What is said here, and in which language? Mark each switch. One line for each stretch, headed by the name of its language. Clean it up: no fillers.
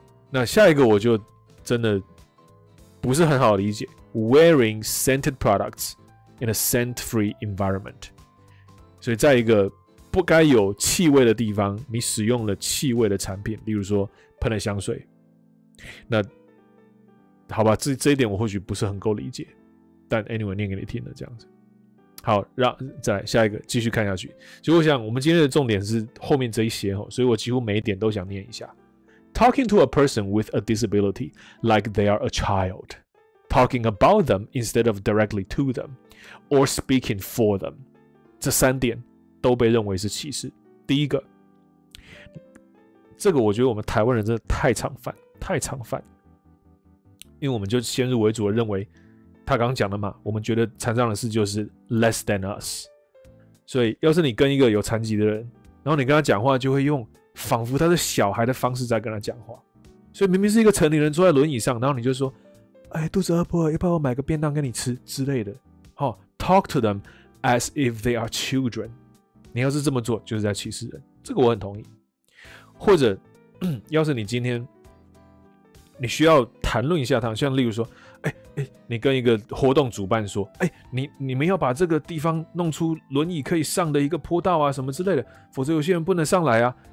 Chinese: 那下一个我就真的不是很好理解 ，
English: wearing scented products in a scent-free environment，
Chinese: 所以在一个不该有气味的地方，你使用了气味的产品，例如说喷了香水。那好吧，这一点我或许不是很够理解，但 anyway 念给你听的这样子。好，让再来下一个继续看下去。其实我想，我们今天的重点是后面这一些，所以我几乎每一点都想念一下。
English: Talking to a person with a disability like they are a child, talking about them instead of directly to them, or speaking for them， 这三点。
Chinese: 都被认为是歧视。第一个，这个我觉得我们台湾人真的太常犯，因为我们就先入为主的认为，他刚讲的嘛，我们觉得残障的事就是
English: less than us，
Chinese: 所以要是你跟一个有残疾的人，然后你跟他讲话，就会用仿佛他是小孩的方式在跟他讲话，所以明明是一个成年人坐在轮椅上，然后你就说，哎，肚子饿不饿？要不要我买个便当给你吃之类的？
English: 哦 ，talk to them as if they are children。
Chinese: 你要是这么做，就是在歧视人，这个我很同意。或者，要是你今天你需要谈论一下他，像例如说，你跟一个活动主办说，你们要把这个地方弄出轮椅可以上的一个坡道啊，什么之类的，否则有些人不能上来啊。